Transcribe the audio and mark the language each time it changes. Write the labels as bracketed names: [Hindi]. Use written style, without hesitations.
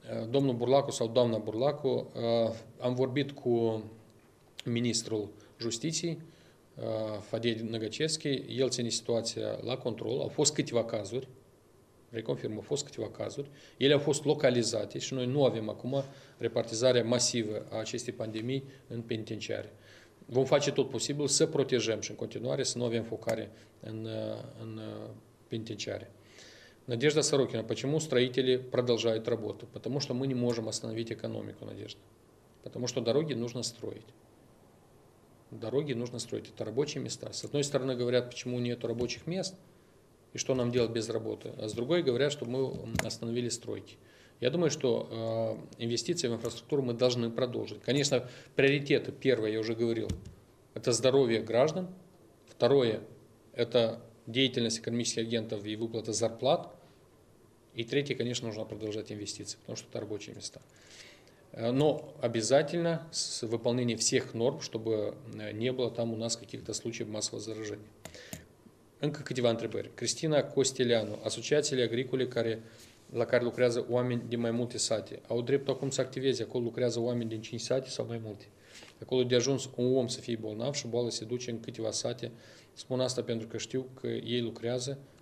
[Romanian] Domnul Burlacu sau doamna Burlacu, am vorbit cu ministrul justiției, Fadiei Năgăcevski, el ține situația la control, au fost câteva cazuri, reconfirm, au fost câteva cazuri, ele au fost localizate și noi nu avem acum repartizarea masivă a acestei pandemii în penitenciare. Vom face tot posibil să protejăm și în continuare să nu avem focare în penitenciare. [Russian] Надежда Сорокина, почему строители продолжают работу? Потому что мы не можем остановить экономику, Надежда. Потому что дороги нужно строить. Дороги нужно строить. Это рабочие места. С одной стороны говорят, почему нет рабочих мест и что нам делать без работы. А с другой говорят, что мы остановили стройки. Я думаю, что инвестиции в инфраструктуру мы должны продолжить. Конечно, приоритеты, первое, я уже говорил, это здоровье граждан. Второе, это деятельность экономических агентов и выплата зарплат. И третье, конечно, нужно продолжать инвестиции, потому что это рабочие места. Но обязательно с выполнением всех норм, чтобы не было там у нас каких-то случаев массового заражения. [Romanian] Încă câteva întrebări. Cristina Costeleanu, asociațiile agricole la care lucrează oameni din mai multe sate, au dreptul acum să activeze, acolo lucrează oameni din 5 sate sau mai multe. Acolo de ajuns un om să fie bolnav și boala se duce în câteva sate. Spun asta pentru că știu că ei lucrează